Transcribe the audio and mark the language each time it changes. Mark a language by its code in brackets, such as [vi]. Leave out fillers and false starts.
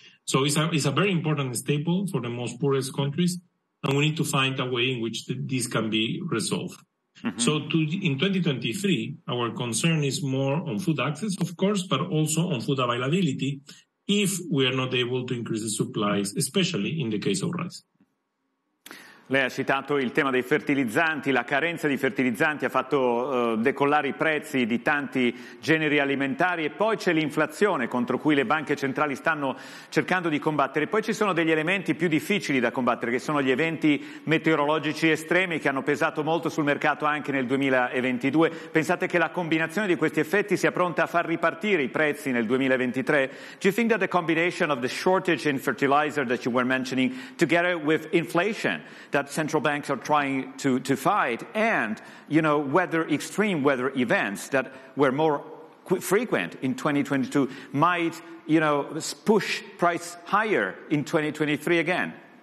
[en] So it's a very important staple for the most poorest countries, and we need to find a way in which this can be resolved. Mm-hmm. So in 2023, our concern is more on food access, of course, but also on food availability if we are not able to increase the supplies, especially in the case of rice. [it] Lei ha citato il tema dei fertilizzanti, la carenza di fertilizzanti ha fatto decollare i prezzi di tanti generi alimentari e poi c'è l'inflazione contro cui le banche centrali stanno cercando di combattere. Poi ci sono degli elementi più difficili da combattere che sono gli eventi meteorologici estremi che hanno pesato molto sul mercato anche nel 2022. Pensate che la combinazione di questi effetti sia pronta a far ripartire i prezzi nel 2023? [en] Do you think that the combination of the shortage in fertilizer that you were mentioning together with inflation that central banks are trying to fight, and, you know, weather, extreme weather events that were more frequent in 2022 might, you know, push price higher in 2023 again?